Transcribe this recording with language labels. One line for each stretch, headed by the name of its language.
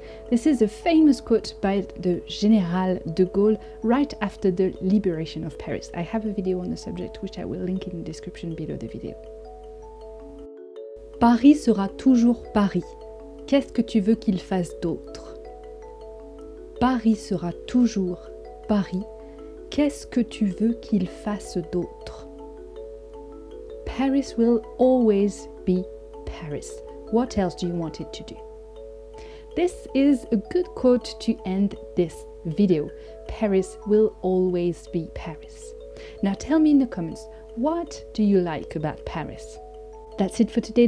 English: This is a famous quote by the General de Gaulle right after the liberation of Paris. I have a video on the subject which I will link in the description below the video.
French: Paris sera toujours Paris. Qu'est-ce que tu veux qu'il fasse d'autre? Paris sera toujours Paris. Qu'est-ce que tu veux qu'il fasse d'autre?
English: Paris will always be Paris. What else do you want it to do? This is a good quote to end this video. Paris will always be Paris. Now tell me in the comments, what do you like about Paris? That's it for today.